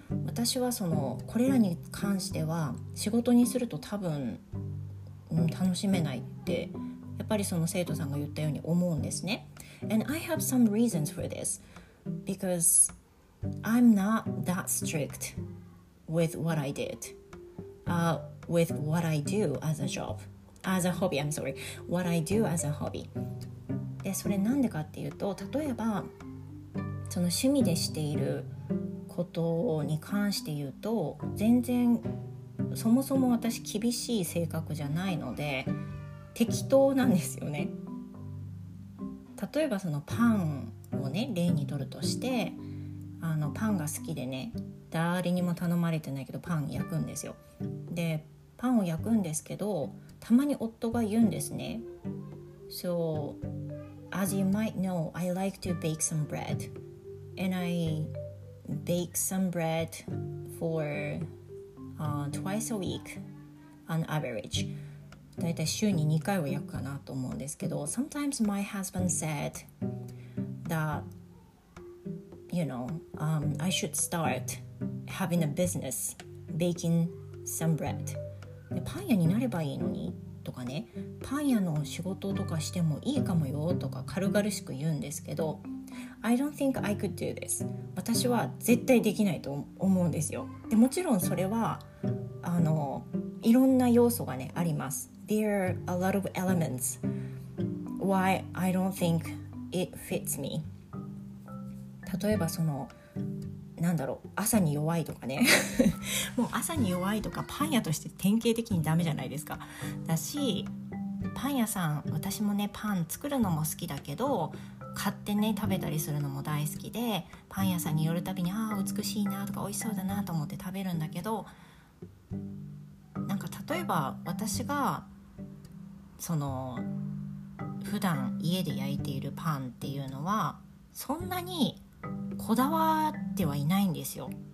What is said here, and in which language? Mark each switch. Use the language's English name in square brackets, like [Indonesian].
[Japanese] 私はそのこれらに関しては仕事にすると多分、楽しめないってやっぱりその生徒さんが言ったように思うんですね。 [English] And I have some reasons for this because I'm not that strict with what I did、with what I do as a job as a hobby, I'm sorry, what I do as a hobby. [Japanese] で、それなんでかっていうと、例えばその趣味でしていることに関して言うと、全然そもそも私厳しい性格じゃないので適当なんですよね。例えばそのパンをね、例にとるとして、あのパンが好きでね、誰にも頼まれてないけどパン焼くんですよ。で、パンを焼くんですけど、たまに夫が言うんですね。 [English] So as you might know, I like to bake some breadAnd I bake some bread for、twice a week on average. [Japanese] だいたい週に2回は焼くかなと思うんですけど、 [English] Sometimes my husband said that, you know,、I should start having a business baking some bread. [Japanese] でパン屋になればいいのにとかね、パン屋の仕事とかしてもいいかもよとか軽々しく言うんですけど、 [English] I don't think I could do this. [Japanese] 私は絶対できないと思うんですよ。で、もちろんそれはあのいろんな要素がねあります。 [English] There are a lot of elements why I don't think it fits me. [Japanese] 例えばそのなんだろう、朝に弱いとかねもう朝に弱いとかパン屋として典型的にダメじゃないですか。だしパン屋さん、私もねパン作るのも好きだけど、買ってね食べたりするのも大好きで、パン屋さんに寄るたびに、ああ美しいなとか美味しそうだなと思って食べるんだけど、なんか例えば私がその普段家で焼いているパンっていうのはそんなにこだわってはいないんですよ。